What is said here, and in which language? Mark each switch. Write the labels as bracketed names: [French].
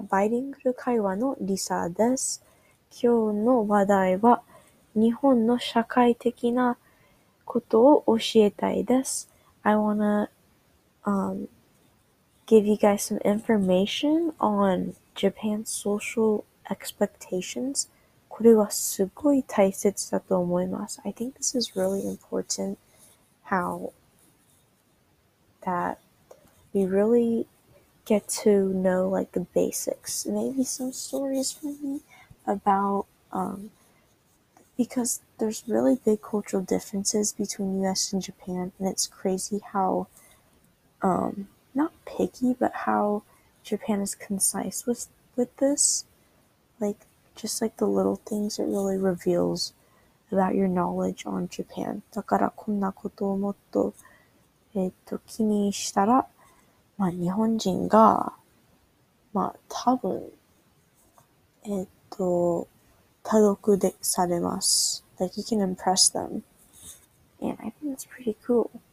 [Japanese] バイリンガル会話のリサです。今日の話題は日本の社会的なことを教えたいです。 [English] I wanna, give you guys some information on Japan's social expectations. [Japanese] これはすごい大切だと思います。 [English] I think this is really important how that we really get to know like the basics, maybe some stories for me about because there's really big cultural differences between US and Japan, and it's crazy how not picky, but how Japan is concise with this, like just like the little things it really reveals about your knowledge on Japan. [Japanese] だからこんなことをもっと気にしたら、まあ日本人が、まあ多分、多読でされます。 [English] Like you can impress them. And I think it's pretty cool.